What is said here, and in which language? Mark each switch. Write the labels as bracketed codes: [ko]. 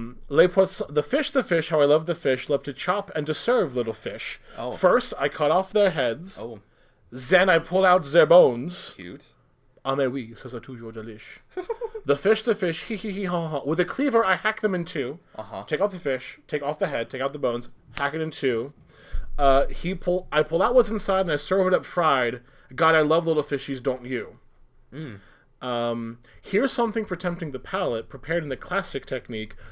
[en] The fish, how I love the fish, love to chop and to serve little fish. Oh. First, I cut off their heads. Oh. Then I pull out their bones. Cute. [fr] Ah mais oui, ça c'est toujours delish. [en] The fish, hee hee hee ha ha. With a cleaver, I hack them in two. Uh-huh. Take off the fish, take off the head, take out the bones, hack it in two. I pull out what's inside and I serve it up fried. God, I love little fishies, don't you? Mm. Here's something for tempting the palate, prepared in the classic technique.